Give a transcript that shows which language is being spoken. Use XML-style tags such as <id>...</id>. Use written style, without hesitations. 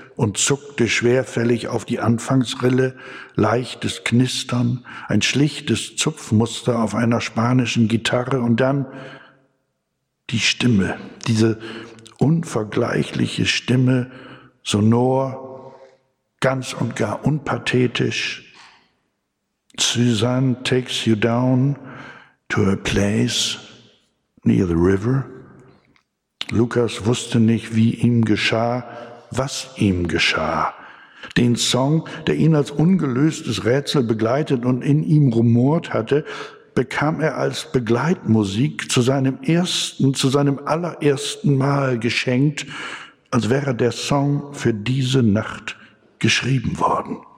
<de>und zuckte schwerfällig auf die Anfangsrille, leichtes Knistern, ein schlichtes Zupfmuster auf einer spanischen Gitarre und dann die Stimme, diese unvergleichliche Stimme, sonor, ganz und gar unpathetisch.</de> <en>Suzanne takes you down to a place near the river.</en> <de>Lukas wusste nicht, wie ihm geschah, was ihm geschah. Den Song, der ihn als ungelöstes Rätsel begleitet und in ihm rumort hatte, bekam er als Begleitmusik zu seinem ersten, zu seinem allerersten Mal geschenkt, als wäre der Song für diese Nacht geschrieben worden.</de>